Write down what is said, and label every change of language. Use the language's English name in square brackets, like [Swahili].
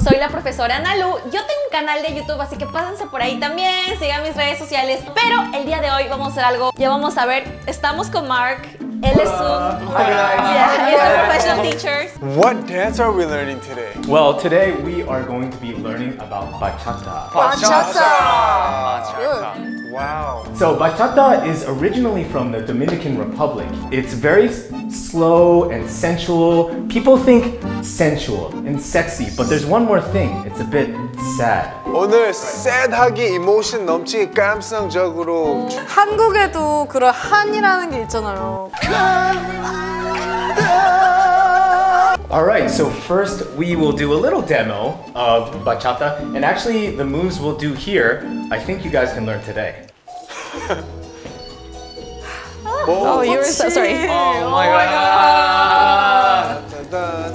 [Spanish] Profesora Ana Lu, yo tengo un canal de YouTube, así que pásense por ahí también, sigan mis redes sociales, pero el día de hoy vamos a hacer algo, ya vamos a ver, estamos con Mark, él es un [English] professional teacher. What dance are we learning today? Well, today we are going to be learning about bachata. Bachata! Wow. So bachata is originally from the Dominican Republic. It's very slow and sensual. People think sensual and sexy, but there's one more thing. It's a bit sad. [Korean] 오늘 sad하게 emotion 넘치게 감성적으로 한국에도 그런 한이라는 게 있잖아요. [English] All right, so first we will do a little demo of bachata, and actually the moves we'll do here, I think you guys can learn today. Oh, oh, you were so sorry. Oh my god.